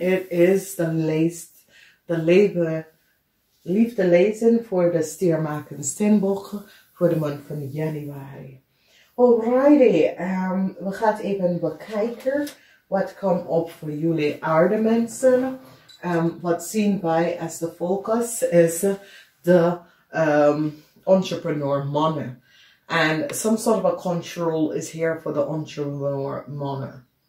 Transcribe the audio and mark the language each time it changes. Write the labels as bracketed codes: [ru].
[en] It is the Liefde Lezing for the Stier Maagd Steenbok for the month of January. [nl] Alrighty, we gaan even bekijken wat komt op voor jullie aarde mensen. Wat zien wij als de focus is de entrepreneur mannen. [en] And some sort of a control is here for the entrepreneur mannen.